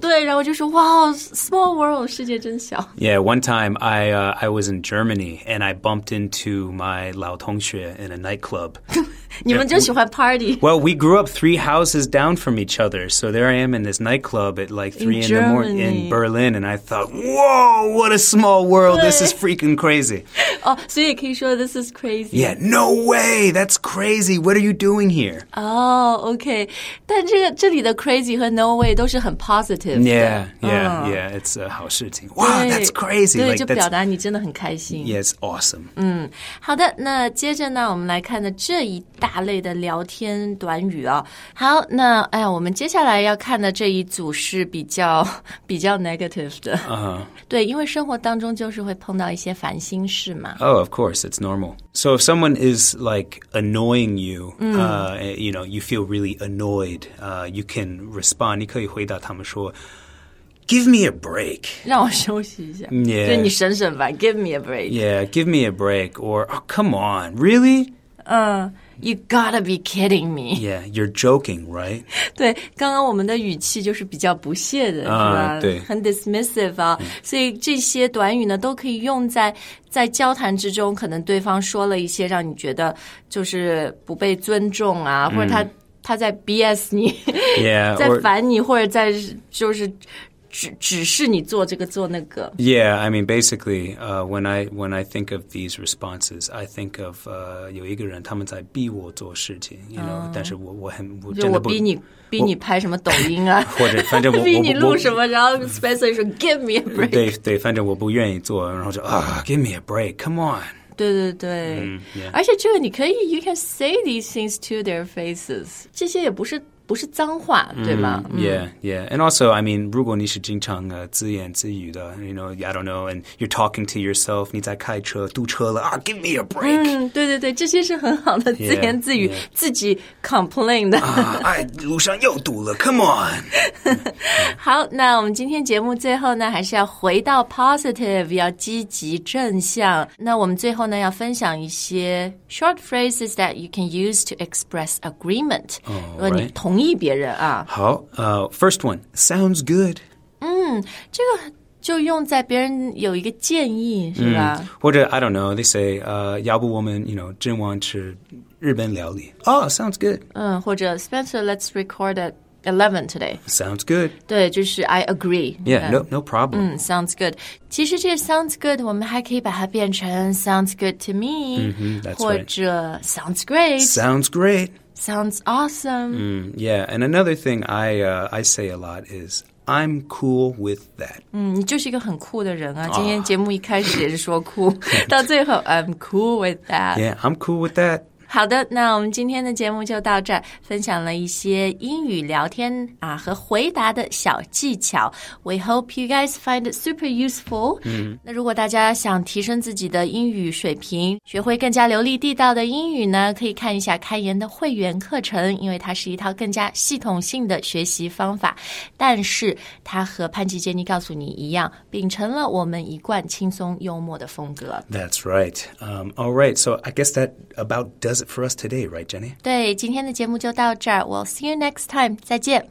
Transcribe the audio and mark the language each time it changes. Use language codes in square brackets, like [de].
[zh] 对然后就说 [en] wow, small world, [zh] 世界真小。 [en] Yeah, one time, I was in Germany, and I bumped into my [zh] 老同学 [en] in a nightclub. [zh] 你们就喜欢 party. [en] Well, we grew up three houses down from each other, so there I am in this nightclub at like 3 in the morning in Berlin, and I thought, whoa, what a small world, this is freaking crazy. Oh, so you can show this is crazy. Yeah, no way, that's crazy, what are you doing here? [zh] Oh, okay, 但这里的 crazy 和 no way 都是很 positive 的。 [en] Yeah, yeah,、yeah, it's a [zh] 好事情。 [en] Wow, that's crazy. [zh] 对, like, 就表达你真的很开心。 [en] Yeah, it's awesome. [zh] 好的,那接着呢,我们来看的这一大类的聊天短语啊、哦，好，那哎呀，我们接下来要看的这一组是比较 negative 的， [en] uh-huh. [zh] 对，因为生活当中就是会碰到一些烦心事嘛。 [en] Oh, of course, it's normal. So if someone is like annoying you,、you know, you feel really annoyed, you can respond. [zh] 你可以回答他们说。 [en] Give me a break. [zh] 让我休息一下。 [en] Yeah. [zh] 就你省省吧。 [en] Give me a break. Yeah, give me a break. Or,、oh, come on, really? You gotta be kidding me. Yeah, you're joking, right? [zh] 对，刚刚我们的语气就是比较不屑的，是吧？对，很 dismissive 啊。所以这些短语呢，都可以用在交谈之中，可能对方说了一些让你觉得就是不被尊重啊，或者他在 BS 你， [en] yeah, [zh] 在烦你，或者在就是。只是你做这个做那个。 [en] Yeah, I mean, basically,、when I think of these responses, I think of、 [zh] 有一个人他们在逼我做事情， [en] you know,、 [zh] 但是我很我真的不。就我逼你拍什么抖音啊，或者反正我逼你录什么，然后 Spencer 说 [en] Give me a break。 [zh] 对对，反正我不愿意做，然后就啊、 [en] Give me a break, come on。 [zh] 对对对， [en] yeah. [zh] 而且这个你可以 [en] You can say these things to their faces， [zh] 这些也不是。不是脏话，对吗？ [en] Yeah, yeah. And also, I mean, [zh] 如果你是经常自言自语的, [en] you know, I don't know, and you're talking to yourself, [zh] 你在开车,堵车了, [en] give me a break. [zh] 对对对,这些是很好的自言自语, [en] yeah, yeah. [zh] 自己 complain 的。路上又堵了, [en] come on. [zh] 好,那我们今天节目最后呢,还是要回到 positive, 要积极正向。那我们最后呢,要分享一些 [en] short phrases that you can use to express agreement. Oh, right. [zh] 同意别人啊。 [en] 好， first one, sounds good. [zh] 这个就用在别人有一个建议是吧、 [en] 嗯、或者 I don't know they say、 [zh] 要不我们 [en] you know [zh] 真望吃日本料理 [en] Oh sounds good、嗯、或者 Spencer let's record at 11 today Sounds good [zh] 对就是 [en] I agree Yeah、嗯、no problem、 [zh] 嗯、Sounds good 其实这个 sounds good 我们还可以把它变成 [en] sounds good to me、 mm-hmm, that's [zh] 或者、 [en] right. sounds great Sounds great Sounds awesome、 mm, Yeah and another thing I say a lot isI'm cool with that. [zh] 嗯，你就是一个很酷的人啊。今天节目一开始也是说酷，到最后 [en] I'm cool with that. Yeah, I'm cool with that. [zh] 好的，那我们今天的节目就到这儿，分享了一些英语聊天啊和回答的小技巧。 [en] We hope you guys find it super useful. [zh] 嗯，那如果大家想提升自己的英语水平，学会更加流利地道的英语呢，可以看一下开言的会员课程，因为它是一套更加系统性的学习方法。但是它和潘吉杰尼告诉你一样，秉承了我们一贯轻松幽默的风格。 [en] That's right. All right. So I guess that about does it for us today, right, Jenny? [zh] 对，今天的节目就到这儿。 [en] We'll see you next time. [zh] 再见。